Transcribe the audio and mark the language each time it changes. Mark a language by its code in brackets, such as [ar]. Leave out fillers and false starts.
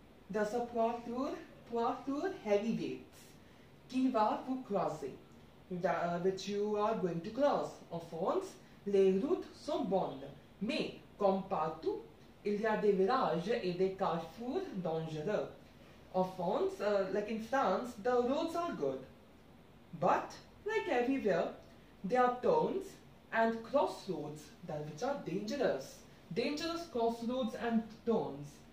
[en] Does a poids lourd, heavy weights, [fr] qui va vous croiser, [en] which you are going to cross, [fr] en France. Les routes sont bonnes, mais comme partout, il y a des virages et des carrefours dangereux. En France, [en] like in France, the roads are good. But, like everywhere, there are turns and crossroads that which are dangerous. Dangerous crossroads and turns.